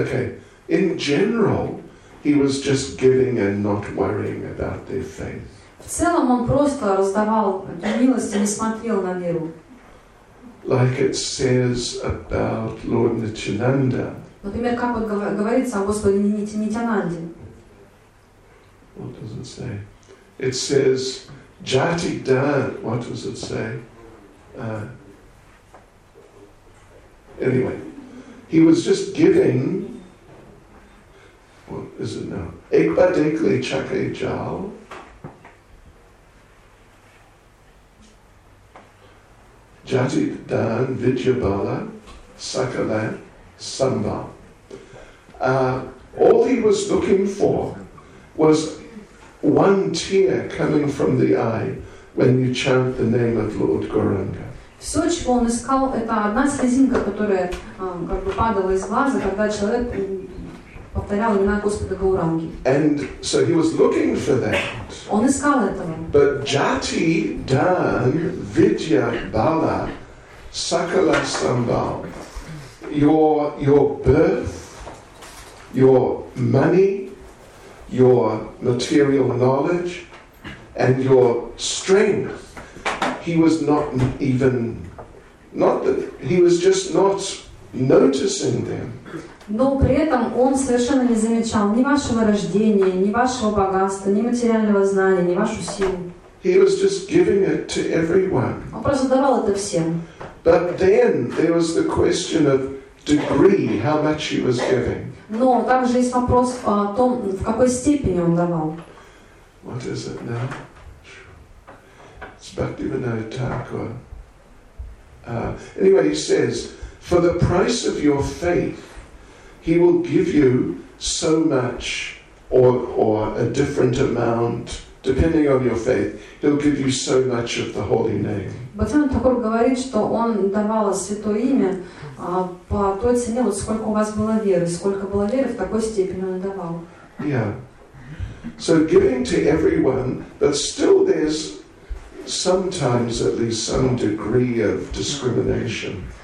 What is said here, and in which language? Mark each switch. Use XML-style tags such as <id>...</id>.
<en>Okay. In general, he was just giving and not worrying about their faith.</en> <ru>В целом он просто раздавал милость и не смотрел на веру.</ru> <en>Like it says about Lord Nityananda.</en> <ru>Например, как вот говорится о Господе Нитянанде.</ru> <en>What does it say? It says</en> <bn>Jati Dan.</bn> <en>What does it say? Anyway, he was just giving. What is it now?</en> <bn>Ekba Dekli Chake Jal. Jati Dan Vidyabala Sakalan Samba.</bn> <en>All he was looking for was one tear coming from the eye when you chant the name of Lord Gauranga.</en> <ru>Все, чего он искал, это одна слезинка, которая как бы падала из глаза, когда человек повторял имена Господа Гауранги.</ru> <en>And so he was looking for that.</en> <ru>Он искал этого.</ru> <en>But</en> <bn>Jati Dan Vidya Bala Sakala Samba.</bn> <en>Your birth, your money, your material knowledge and your strength, he was not even, not that, he was just not noticing them.</en> <ru>Но при этом он совершенно не замечал ни вашего рождения, ни вашего богатства, ни материального знания, ни вашу силу.</ru> <en>He was just giving it to everyone.</en> <ru>Он просто давал это всем.</ru> <en>But then there was the question of degree, how much he was giving.</en> <ru>Но также есть вопрос о том, в какой степени он давал.</ru> <en>What is it now? It's Bhaktivinoda Thakur. Anyway, he says, for the price of your faith, he will give you so much, or a different amount, depending on your faith, he'll give you so much of the holy name.</en> <ru>Bhaktivinoda Thakur говорит, что он давал святое имя по той цене, вот сколько у вас было веры, сколько было веры, в такой степени он давал.</ru> <en>Yeah. So giving to everyone, but still there's sometimes at least some degree of discrimination.</en>